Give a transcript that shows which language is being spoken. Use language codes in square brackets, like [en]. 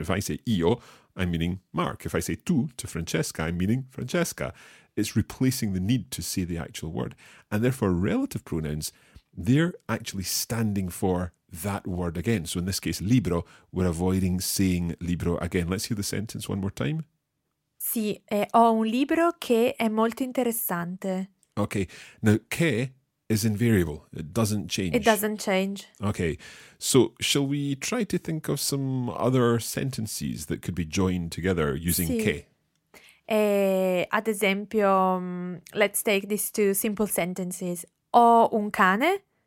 [en] If I say io, I'm meaning Mark. If I say tu to Francesca, I'm meaning Francesca. It's replacing the need to say the actual word. And therefore, relative pronouns, they're actually standing for that word again. So in this case, libro, we're avoiding saying libro again. Let's hear the sentence one more time. [it] Sì, ho un libro che è molto interessante. [en] Okay, now che is invariable. It doesn't change. It doesn't change. Okay, so shall we try to think of some other sentences that could be joined together using [it] sì. Che? Ad esempio, [en] let's take these two simple sentences. [it] Ho un cane.